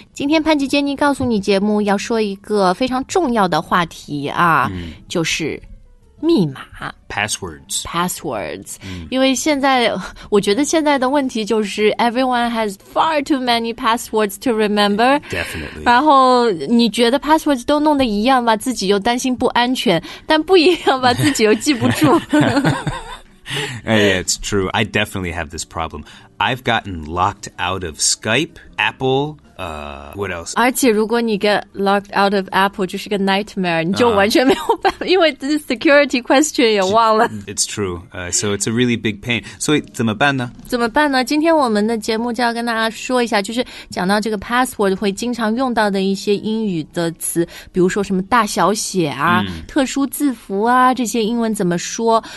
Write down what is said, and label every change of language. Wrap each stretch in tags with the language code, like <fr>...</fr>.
<zh>今天潘吉 Jenny 告诉你节目要说一个非常重要的话题啊、就是密码</zh> <en>Passwords. Passwords.、</en> <zh>因为现在我觉得现在的问题就是</zh> <en>everyone has far too many passwords to remember. Definitely.</en> <zh>然后你觉得 passwords 都弄得一样吧，自己又担心不安全，但不一样吧，自己又记不住。</zh> <en>Yeah, it's true. I definitely have this problem. I've gotten locked out of Skype, Apple, what else?</en> <zh>而且如果你</zh> <en>get locked out of Apple,</en> <zh>就是个</zh> <en>nightmare.</en> <zh>你就完全没有办法因为</zh> <en>the security question</en> <zh>也忘了。</zh> <en>It's true. So it's a really big pain.</en> <zh>所以怎么办呢？怎么办呢？今天我们的节目就要跟大家说一下，就是讲到这个 password 会经常用到的一些英语的词，比如说什么大小写啊、特殊字符啊，这些英文怎么说。</zh>